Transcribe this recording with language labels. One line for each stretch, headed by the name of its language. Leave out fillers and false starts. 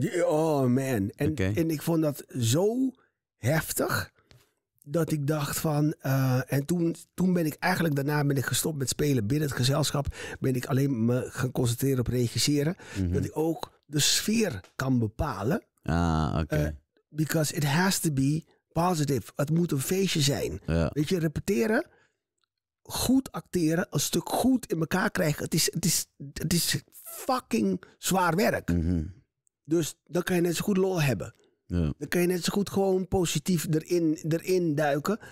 Dutch: Oh man. En, okay. En ik vond dat zo heftig. Dat ik dacht van, en toen ben ik eigenlijk, daarna ben ik gestopt met spelen binnen het gezelschap. Ben ik alleen me gaan concentreren op regisseren. Mm-hmm. Dat ik ook de sfeer kan bepalen. Ah, oké. Okay.
English: Because it has to be positive.
Dutch: Het moet een feestje zijn. Ja. Weet je, repeteren, goed acteren, een stuk goed in elkaar krijgen. Het is fucking zwaar werk. Mm-hmm. Dus dan kan je net zo goed lol hebben. Ja. Dan kan je net zo goed gewoon positief erin duiken.